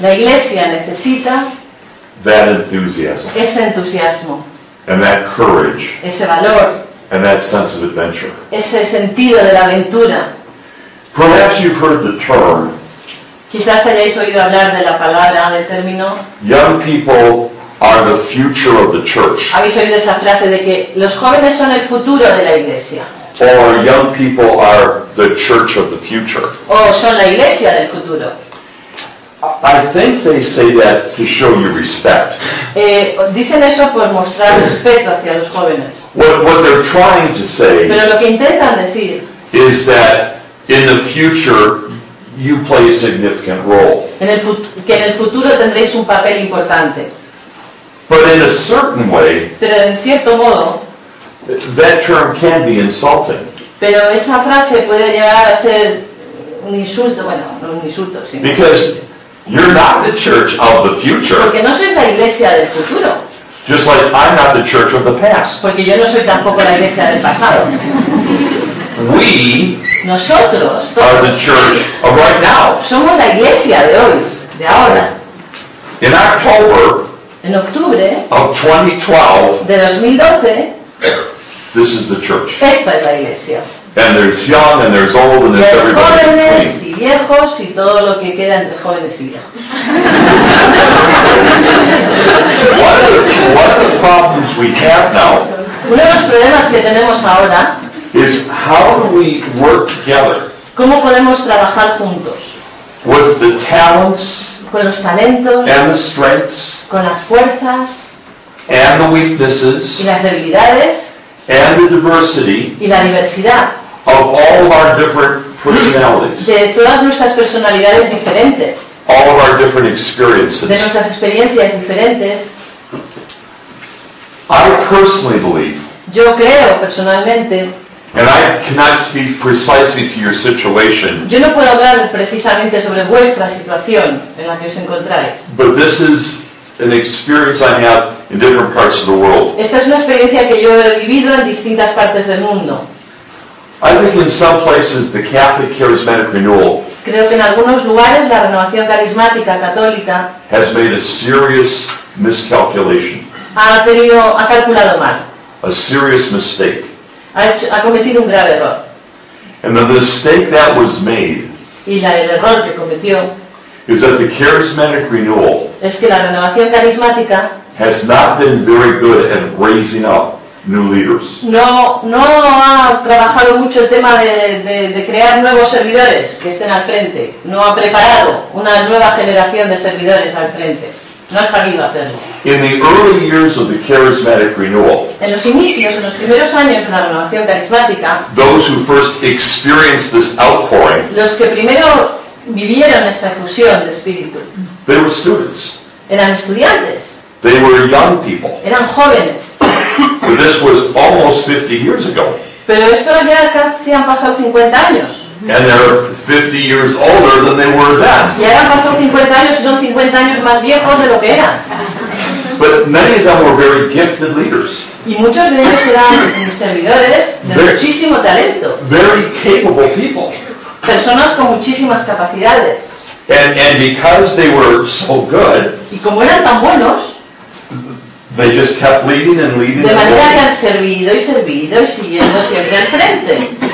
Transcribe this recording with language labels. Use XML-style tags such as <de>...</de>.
<es>La iglesia necesita.</es> <en>That enthusiasm.</en> <es>Ese entusiasmo.</es> <en>And that courage.</en> <es>Ese valor.</es> <en>And that sense of adventure.</en> <es>Ese sentido de la aventura.</es> <en>Perhaps you've heard the term.</en> <es>Quizás hayáis oído hablar de la palabra, del término.</es> <en>Young people are the future of the church.</en> <es>¿Habéis oído esa frase de que los jóvenes son el futuro de la iglesia?</es> <en>Or young people are the church of the future.</en> <es>O son la iglesia del futuro.</es> <en>I think they say that to show you respect.</en> <es>Dicen eso por mostrar respeto hacia los jóvenes.</es> <en>What they're trying to say.</en> <es>Pero lo que intentan decir.</es> <en>Is that in the future you play a significant role.</en> <es>Que en el futuro tendréis un papel importante.</es> <en>But in a certain way.</en> <es>Pero en cierto modo.</es> <en>That term can be insulting.</en> <es>Pero esa frase puede llegar a ser un insulto, bueno, no un insulto, sino.</es> <en>Because you're not the church of the future.</en> <es>Porque no sois la iglesia del futuro.</es> <en>Just like I'm not the church of the past.</en> <es>Porque yo no soy tampoco la iglesia del pasado.</es> <en>We</en> <es>nosotros</es> <en>are the church of right now.</en> <es>Somos la iglesia de hoy, de ahora.</es> <en>In October,</en> <es>en octubre</es> <en>of 2012,</en> <es>de 2012,</es> <en>this is the church.</en> <es>Esta es la iglesia.</es> <en>And there's young and there's old and there's everybody.</en> <es>Jóvenes y viejos y todo lo que queda entre jóvenes y viejos.</es> <en>One of the problems we have now.</en> <es>Uno de los problemas que tenemos ahora.</es> <en>Is how do we work together?</en> <es>¿Cómo podemos trabajar juntos?</es> <en>With the talents.</en> <es>Con los talentos.</es> <en>And the strengths.</en> <es>Con las fuerzas.</es> <en>And the weaknesses.</en> <es>Y las debilidades.</es> <en>And the diversity.</en> <es>Y la diversidad.</es> <en>Of all of our different personalities.</en> <es>De todas nuestras personalidades diferentes.</es> <en>All of our different experiences.</en> <es>De nuestras experiencias diferentes.</es> <en>I personally believe.</en> <es>Yo creo personalmente.</es> <en>And I cannot speak precisely to your situation.</en> <es>Yo no puedo hablar precisamente sobre vuestra situación en la que os encontráis.</es> <en>But this is an experience I have in different parts of the world.</en> <es>Esta es una experiencia que yo he vivido en distintas partes del mundo.</es> <en>I think in some places the Catholic charismatic renewal.</en> <es>Creo que en algunos lugares la renovación carismática católica</es> <en>has made a serious miscalculation.</en> <es>Ha calculado mal.</es> <en>A serious mistake.</en> <es>Ha cometido un grave error.</es> <en>And the mistake that was made.</en> <es>Y el error que cometió.</es> <en>Is that the charismatic renewal?</en> <es>Es que la renovación carismática</es> <en>has not been very good at raising up new leaders.</en> <es>No ha trabajado mucho el tema de crear nuevos servidores que estén al frente. No ha preparado una nueva generación de servidores al frente. No ha sabido hacerlo.</es> <en>In the early years of the charismatic renewal,</en> <es>en los inicios, en los primeros años de la renovación carismática,</es> <en>those who first experienced this outpouring,</en> <es>los que primero vivieron esta fusión de espíritu.</es> <en>They were students.</en> <es>Eran estudiantes.</es> <en>They were young people.</en> <es>Eran jóvenes.</es> <en>But this was almost 50 years ago.</en> <es>Pero esto ya casi han pasado 50 años.</es> <en>And they're 50 years older than they were then.</en> <es>Y ahora han pasado 50 años y son 50 años más viejos de lo que eran.</es> <en>But many of them were very gifted leaders.</en> <es>Y muchos de ellos eran servidores de muchísimo talento.</es> <en>Very capable people.</en> <es>Personas con muchísimas capacidades.</es> <en>And because they were so good,</en> <es>y como eran tan buenos,</es> <en>they just kept leading and leading.</en> <es>De manera que han servido y servido y siguiendo siempre al frente.</es>